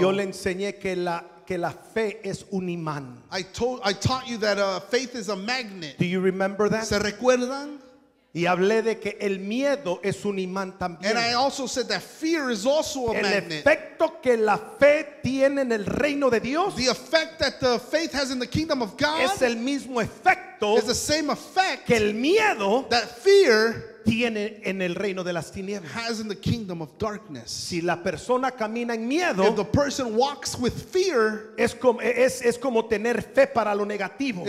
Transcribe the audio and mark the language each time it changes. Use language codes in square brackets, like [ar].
[es] yo le enseñé que la fe es un imán. [en] I taught you that faith is a magnet. Do you remember that? [es] ¿Se recuerdan? Y hablé de que el miedo es un imán también. [en] And I also said that fear is also a magnet. [es] El efecto que la fe tiene en el reino de Dios. [en] The effect that the faith has in the kingdom of God. [es] Es el mismo efecto. [en] Is the same effect. [es] Que el miedo. [en] That fear. [es] Tiene en el reino de las tinieblas. [en] Has in the kingdom of darkness. [es] Si la persona camina en miedo. [en] If the person walks with fear. [es] Es como tener fe para lo negativo.